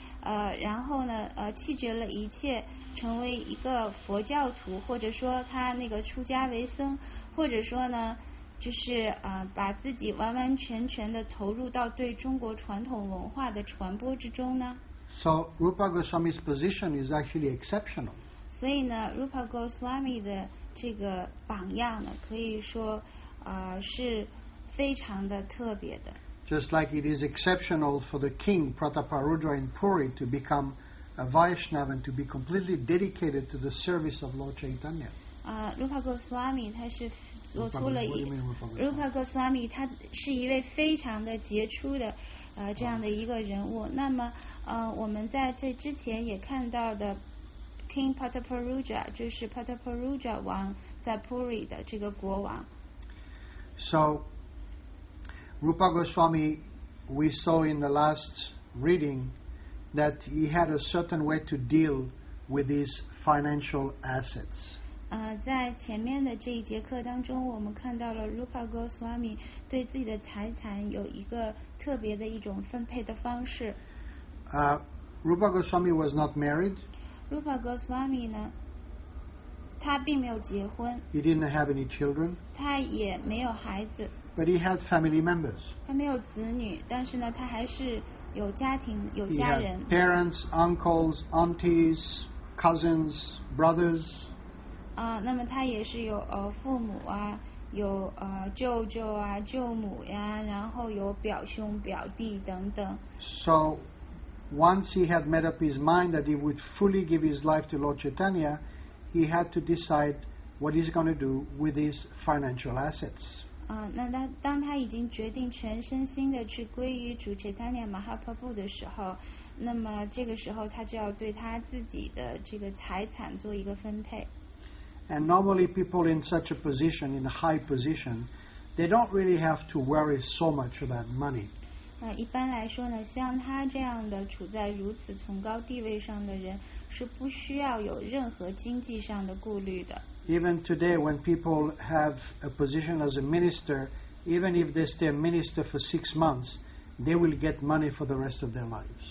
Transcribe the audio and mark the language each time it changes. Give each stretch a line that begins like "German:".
Chinese: 然后呢弃绝了一切，成为一个佛教徒，或者说他那个出家为僧，或者说呢就是把自己完完全全的投入到对中国传统文化的传播之中呢。
English: So Rupa Goswami's position is actually exceptional.
Chinese: 所以呢 ，Rupa Goswami 的这个榜样呢，可以说是非常的特别的。
English: Just like it is exceptional for the king Prataparudra in Puri to become a Vaishnava and to be completely dedicated to the service of Lord Chaitanya.
Chinese: Rupa Goswami 他是。做出了一 Rupa Goswami 他是一位非常的杰出的这样的一个人物。那么我们在这之前也看到的 King Pataparudra 就是 Pataparudra 王在 Puri 的这个国王。
English: So Rupa Goswami, we saw in the last reading that he had a certain way to deal with his financial assets.
Chinese: 在前面的这一节课当中，我们看到了 Rupa Goswami 对自己的财产有一个特别的一种分配的方式。
English: Rupa Goswami was not married.
Chinese: Rupa Goswami 呢，他并没有结婚。
English: He didn't have any children.
Chinese: 他也没有孩子。
English: But he had family members.
Chinese: 他没有子女，但是呢，他还是有家庭，有家人。
English: He had parents, uncles, aunties, cousins, brothers.
Chinese: 那么他也是有父母啊，有舅舅啊、舅母呀，然后有表兄表弟等等。
English: So once he had made up his mind that he would fully give his life to Lord Chaitanya, he had to decide what he's going to do with his financial assets.
Chinese: 当他已经决定全身心的去皈依主 Chaitanya Mahaprabhu 的时候，那么这个时候他就要对他自己的这个财产做一个分配。
English: And normally people in such a position, in a high position, they don't really have to worry so much about money.
Chinese: 一般来说呢，像他这样的处在如此崇高地位上的人，是不需要有任何经济上的顾虑的。
English: Even today when people have a position as a minister, even if they stay a minister for 6 months, they will get money for the rest of their lives.